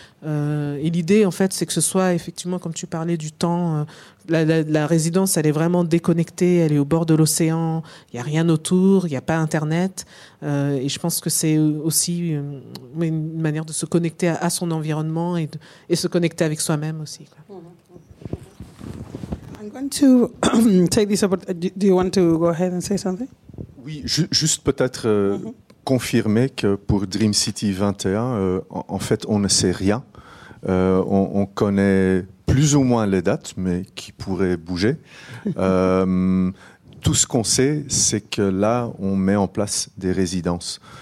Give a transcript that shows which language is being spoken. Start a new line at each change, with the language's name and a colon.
French: Et l'idée, en fait, c'est que ce soit effectivement, comme tu parlais du temps, la résidence, elle est vraiment déconnectée, elle est au bord de l'océan, il n'y a rien autour, il n'y a pas Internet. Et je pense que c'est aussi une manière de se connecter à son environnement et se connecter avec soi-même aussi.
English: I'm going to take this about. Do you want to go ahead and say something?
French: Oui, juste peut-être confirmer que pour Dream City 21, en fait, on ne sait rien. On connaît plus ou moins les dates, mais qui pourraient bouger. Tout ce qu'on sait, c'est que là, on met en place des résidences.